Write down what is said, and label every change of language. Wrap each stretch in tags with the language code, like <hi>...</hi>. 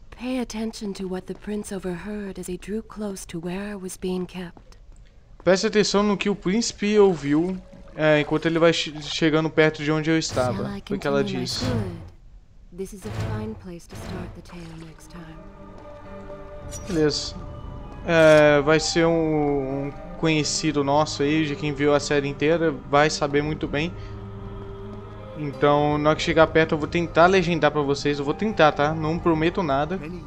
<en>Pay attention to what the prince overheard as he drew close to where I was being kept.</en> <pt>Preste atenção no que o príncipe ouviu enquanto ele vai chegando perto de onde eu estava. Foi o que ela disse.</pt> <en>This is a fine place to start the tale next time.</en> <pt>Beleza. Vai ser um conhecido nosso aí, de quem viu a série inteira, vai saber muito bem. Então, na hora que chegar perto, eu vou tentar legendar pra vocês. Eu vou tentar, tá? Não prometo nada.</pt>